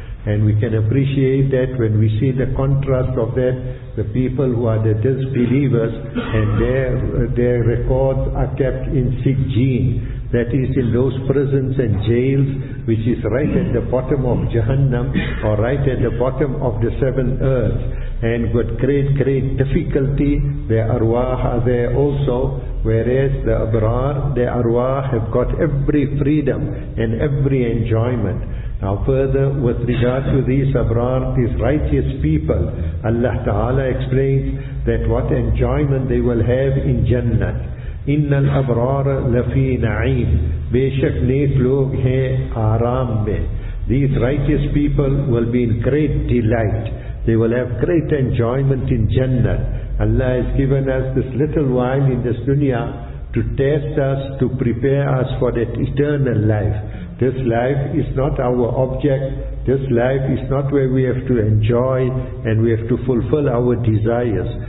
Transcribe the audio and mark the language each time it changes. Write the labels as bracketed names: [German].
[English] And we can appreciate that when we see the contrast of that, the people who are the disbelievers, and their records are kept in Sijjin, that is in those prisons and jails which is right at the bottom of Jahannam, or right at the bottom of the seven earths, and with great difficulty their arwah are there also, whereas the Abrar, their arwah have got every freedom and every enjoyment. Now further, with regard to these Abrar, these righteous people, Allah Ta'ala explains that what enjoyment they will have in Jannah. [Arabic] إِنَّ الْأَبْرَارَ لَفِي نَعِيمٍ. [Urdu] بے شک نیک لوگ ہیں آرام میں. [English] These righteous people will be in great delight. They will have great enjoyment in Jannah. Allah has given us this little while in this dunya to test us, to prepare us for that eternal life. This life is not our object. This life is not where we have to enjoy and we have to fulfill our desires.